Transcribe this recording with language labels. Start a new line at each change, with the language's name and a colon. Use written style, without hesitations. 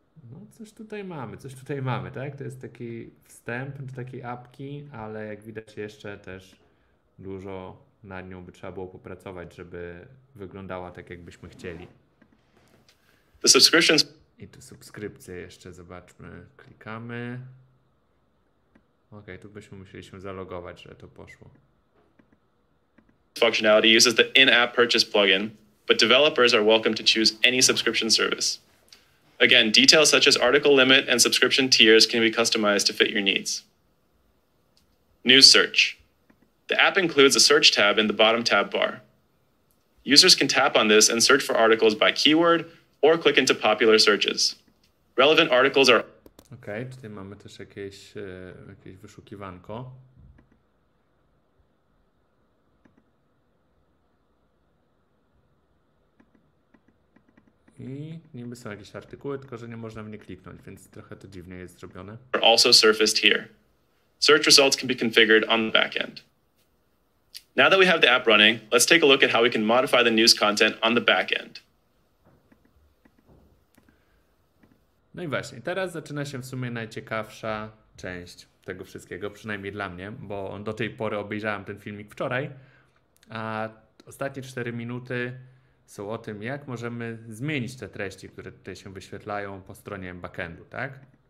Polish: No coś tutaj mamy, tak? To jest taki wstęp do takiej apki, ale jak widać jeszcze też dużo nad nią by trzeba było popracować, żeby wyglądała tak, jakbyśmy chcieli.
English: The subscriptions.
Polish: I tu subskrypcje jeszcze, zobaczmy, klikamy. Okej, tu byśmy musieli się zalogować, że to poszło.
English: Functionality uses the in-app purchase plugin, but developers are welcome to choose any subscription service. Again, details such as article limit and subscription tiers can be customized to fit your needs. News search. The app includes a search tab in the bottom tab bar. Users can tap on this and search for articles by keyword or click into popular searches. Relevant articles are...
Polish: Okay, tutaj mamy też jakieś wyszukiwanko. I niby są jakieś artykuły, tylko że nie można w nie kliknąć, więc trochę to dziwnie jest zrobione.
English: Also surfaced here. Search results can be configured on the back end. Now that we have the app running, let's take a look at how we can modify the news content on the back end.
Polish: No i właśnie, teraz zaczyna się w sumie najciekawsza część tego wszystkiego, przynajmniej dla mnie, bo do tej pory obejrzałem ten filmik wczoraj, a ostatnie 4 minuty są o tym, jak możemy zmienić te treści, które tutaj się wyświetlają po stronie backendu, tak?